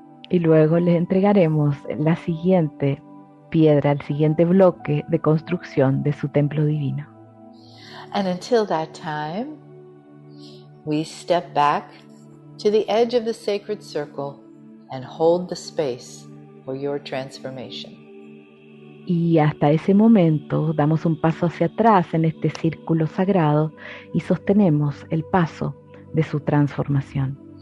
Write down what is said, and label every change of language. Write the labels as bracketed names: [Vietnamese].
[Spanish] Y luego les entregaremos la siguiente piedra, el siguiente bloque de construcción de su templo divino. [English] And until that time, we step back to the edge of the sacred circle and hold the space for your transformation. [Spanish] Y hasta ese momento damos un paso hacia atrás en este círculo sagrado y sostenemos el paso de su transformación.